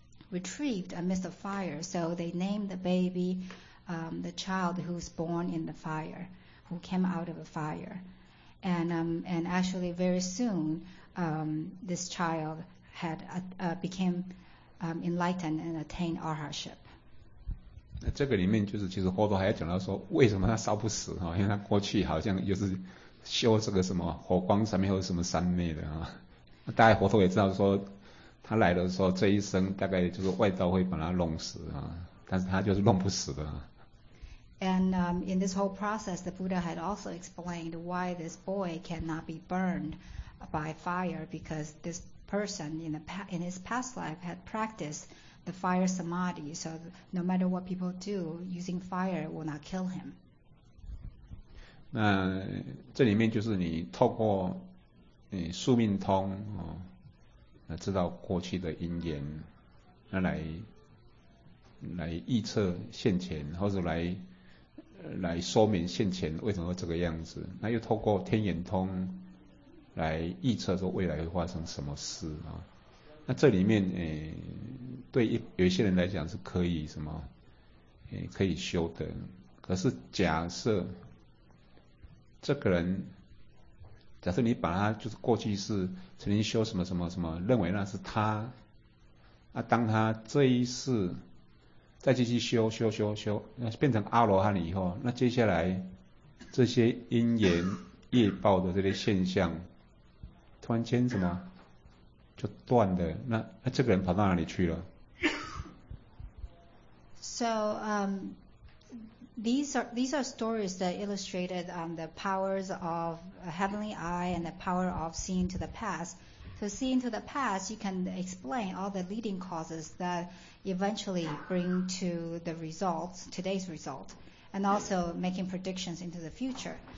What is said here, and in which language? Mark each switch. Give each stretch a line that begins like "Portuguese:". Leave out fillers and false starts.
English: retrieved amidst the fire, so they named the baby the child who's born in the fire, who came out of the fire, and actually very soon this child had became enlightened and attained arhatship.
Chinese: 这个里面就是其实佛陀还要讲到说为什么他烧不死，因为他过去好像就是修这个什么火光上面或什么三昧的啊，大概佛陀也知道说他来的时候这一生大概就是外道会把他弄死啊，但是他就是弄不死的啊。
English: And in this whole process, the Buddha had also explained why this boy cannot be burned by fire, because this person in his past life had practiced the fire samadhi, so no matter what people do, using fire will not kill him.
Chinese: 那这里面就是你透过宿命通哦，知道过去的因缘，那来预测现前，或者来说明现前为什么会这个样子，那又透过天眼通来预测说未来会发生什么事啊？那这里面对有一些人来讲是可以什么可以修的，可是假设这个人，假设你把他就是过去是曾经修什么什么什么，认为那是他，那当他这一世再继续修，那变成阿罗汉以后，那接下来这些因缘业报的这些现象突然间什么就断的，那这个人跑到哪里去了？
English: So these are stories that illustrated the powers of a heavenly eye and the power of seeing to the past. So seeing to the past, you can explain all the leading causes that eventually bring to the results, today's result, and also making predictions into the future.